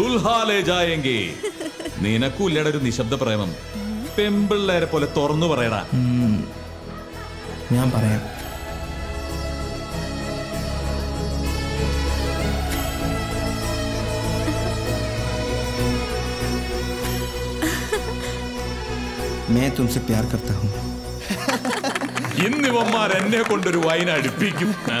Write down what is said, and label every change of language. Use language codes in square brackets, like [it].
[ml] നിശബ്ദ പ്രേമം പെമ്പിള്ളേരെ പോലെ തുറന്നു പറയടാ [hi] ഞാൻ പറയാം मैं तुमसे प्यार करता हूं [ml] ഇന്നിവന്മാർ എന്നെ കൊണ്ടൊരു വൈൻ അടുപ്പിക്കും